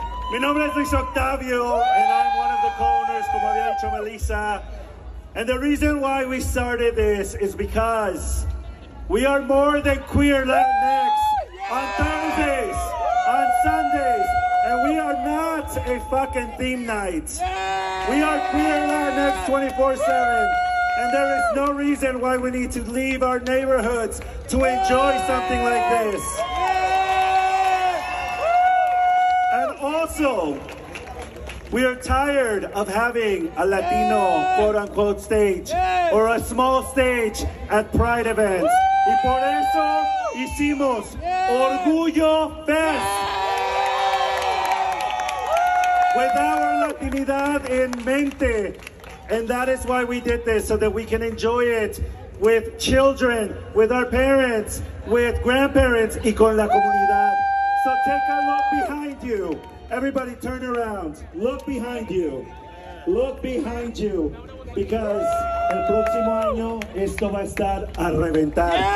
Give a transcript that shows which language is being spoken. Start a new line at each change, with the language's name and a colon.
Spanish: Mi nombre es Luis Octavio,
English: and I'm one of the co-owners,
Spanish: como había dicho Melissa.
English: And the reason why we started this is because we are more than queer Latinx on Thursdays, on Sundays, and we are not a fucking theme night. Yeah. We are queer Latinx 24/7. And there is no reason why we need to leave our neighborhoods to enjoy something like this. And also, we are tired of having a Latino, quote-unquote, stage or a small stage at Pride events.
Spanish: Y por eso hicimos Orgullo Fest.
English: With our Latinidad
Spanish: en mente.
English: And that is why we did this, so that we can enjoy it with children, with our parents, with grandparents,
Spanish: y con la comunidad.
English: So take a look behind you. Everybody turn around. Look behind you. Look behind you.
Spanish: Because el próximo año esto va a estar a reventar.